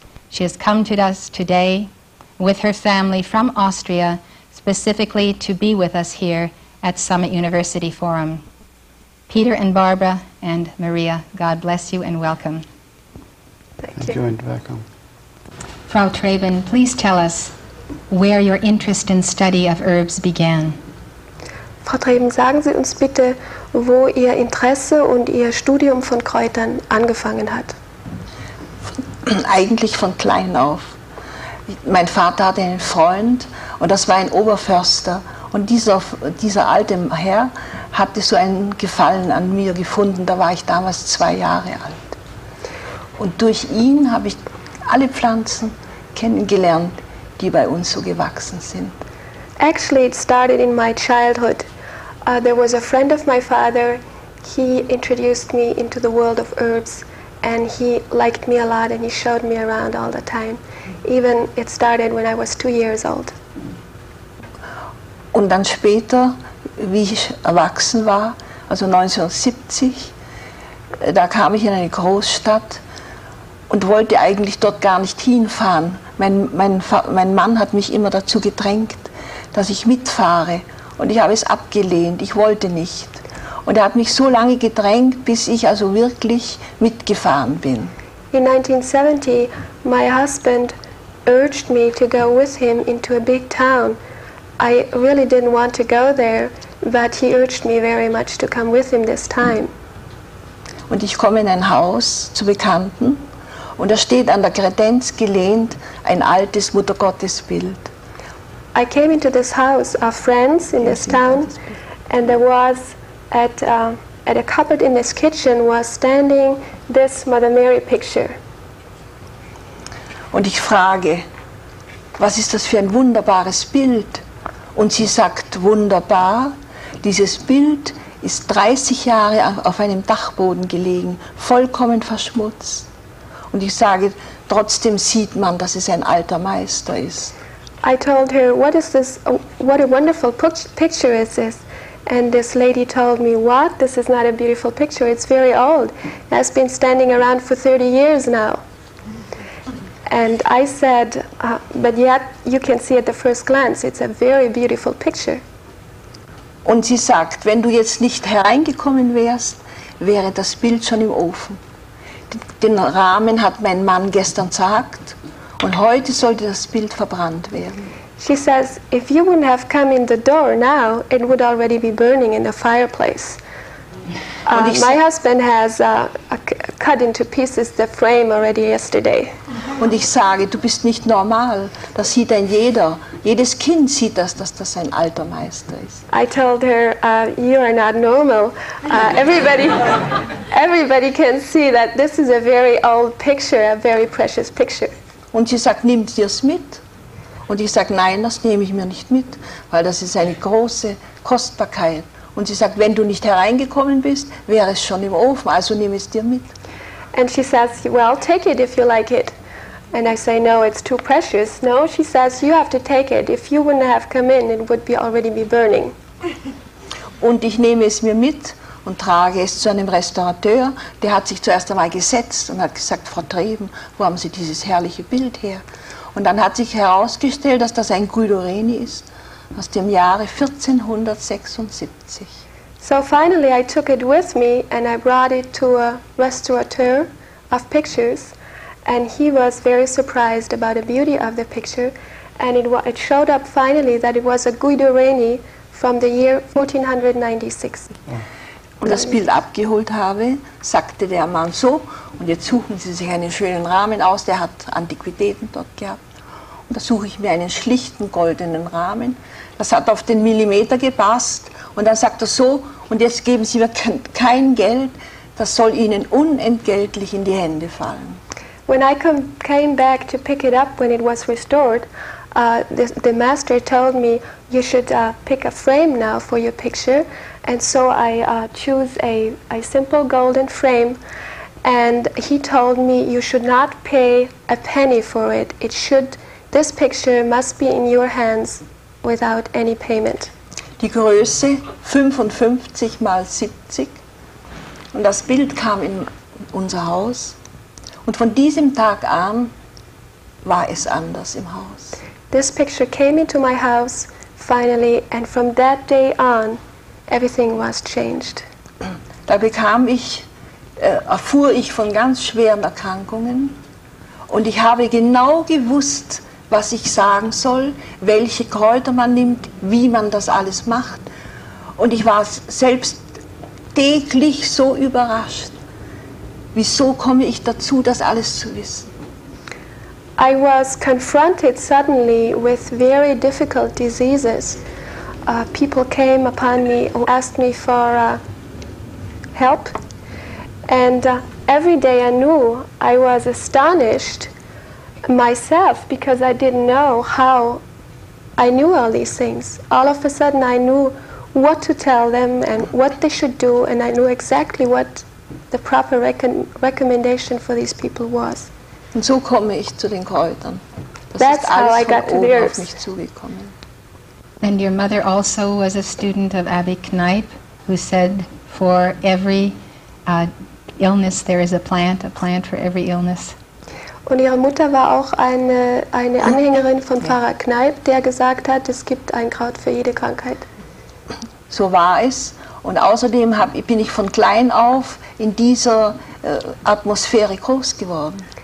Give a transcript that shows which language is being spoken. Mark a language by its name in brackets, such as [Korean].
[English] She has come to us today with her family from Austria, specifically to be with us here at Summit University Forum. Peter and Barbara and Maria, God bless you and welcome. Thank you and welcome. Frau Treben, please tell us where your interest in study of herbs began. [German] Frau Treben, sagen Sie uns bitte, wo Ihr Interesse und Ihr Studium von Kräutern angefangen hat. Eigentlich von klein auf. Mein Vater hatte einen Freund und das war ein Oberförster. Und dieser alte Herr hatte so einen Gefallen an mir gefunden. Da war ich damals 2 Jahre alt. Und durch ihn habe ich alle Pflanzen kennengelernt, die bei uns so gewachsen sind. [English] Actually, it started in my childhood. There was a friend of my father. He introduced me into the world of herbs. And he liked me a lot and he showed me around all the time. Even it started when I was 2 years old. [German] Und dann später, wie ich erwachsen war, also 1970, da kam ich in eine Großstadt und wollte eigentlich dort gar nicht hinfahren. Mein Mann hat mich immer dazu gedrängt, dass ich mitfahre. Und ich habe es abgelehnt, ich wollte nicht. Und er hat mich so lange gedrängt, bis ich also wirklich mitgefahren bin. [English] In 1970, my husband urged me to go with him into a big town. I really didn't want to go there, but he urged me very much to come with him this time. [German] Und ich komme in ein Haus zu Bekannten und da steht an der Kredenz gelehnt ein altes Muttergottesbild. [English] I came into this house of friends in this town and there was at a cupboard in this kitchen was standing this Mother Mary picture. [German] Und ich frage, was ist das für ein wunderbares Bild? Und sie sagt, wunderbar, dieses Bild ist 30 Jahre auf einem Dachboden gelegen, vollkommen verschmutzt. Und ich sage, trotzdem sieht man, dass es ein alter Meister ist. [English] I told her, what is this, what a wonderful picture is this? And this lady told me, what, this is not a beautiful picture, it's very old. It has been standing around for 30 years now. And I said, but yet you can see at the first glance, it's a very beautiful picture. [German] Und sie sagt, wenn du jetzt nicht hereingekommen wärst, wäre das Bild schon im Ofen. Den Rahmen hat mein Mann gestern zerhackt und heute sollte das Bild verbrannt werden. [English] She says, if you wouldn't have come in the door now, it would already be burning in the fireplace. My husband has cut into pieces the frame already yesterday. [German] Und ich sage, du bist nicht normal. Das sieht ein jeder. Jedes Kind sieht das, dass das ein alter Meister ist. [English] I told her, you are not normal. Everybody can see that this is a very old picture, a very precious picture. [German] Und sie sagt, nimm dir's mit. Und ich sage, nein, das nehme ich mir nicht mit, weil das ist eine große Kostbarkeit. Und sie sagt, wenn du nicht hereingekommen bist, wäre es schon im Ofen, also nimm es dir mit. [English] And she says, well, take it if you like it. And I say, no, it's too precious. No, she says, you have to take it. If you wouldn't have come in, it would be already be burning. [German] Und ich nehme es mir mit und trage es zu einem Restaurateur. Der hat sich zuerst einmal gesetzt und hat gesagt, Frau Treben, wo haben Sie dieses herrliche Bild her? Und dann hat sich herausgestellt, dass das ein Guido Reni ist, aus dem Jahre 1476. [English] So finally I took it with me and I brought it to a restaurateur of pictures and he was very surprised about the beauty of the picture and it showed up finally that it was a Guido Reni from the year 1496. [German] Und das Bild abgeholt habe, sagte der Mann so, und jetzt suchen Sie sich einen schönen Rahmen aus, der hat Antiquitäten dort gehabt. Und da suche ich mir einen schlichten goldenen Rahmen, das hat auf den Millimeter gepasst. Und dann sagt er so, und jetzt geben Sie mir kein Geld, das soll Ihnen unentgeltlich in die Hände fallen. [English] When I came back to pick it up when it was restored, the master told me, you should pick a frame now for your picture. And so I choose a simple golden frame, and he told me you should not pay a penny for it. It should, this picture must be in your hands without any payment. [German] Die Größe 55 mal 70, und das Bild kam in unser Haus, und von diesem Tag an war es anders im Haus. [English] This picture came into my house finally, and from that day on, everything was changed. [German] Da bekam ich, erfuhr ich von ganz schweren Erkrankungen und ich habe genau gewusst, was ich sagen soll, welche Kräuter man nimmt, wie man das alles macht. Und ich war selbst täglich so überrascht. Wieso komme ich dazu, das alles zu wissen? [English] I was confronted suddenly with very difficult diseases. People came upon me and asked me for help. And every day I knew, I was astonished myself because I didn't know how I knew all these things. All of a sudden I knew what to tell them and what they should do, and I knew exactly what the proper recommendation for these people was. [German] Und so komme ich zu den Kräutern. Das ist alles von oben auf mich zugekommen. [English] And your mother also was a student of Abbe Kneipp, who said, for every illness there is a plant for every illness. [German] Und ihre Mutter war auch eine Anhängerin von Pfarrer Kneipp, der gesagt hat, es gibt ein Kraut für jede Krankheit. So war es. Und außerdem bin ich von klein auf in dieser Atmosphäre groß geworden.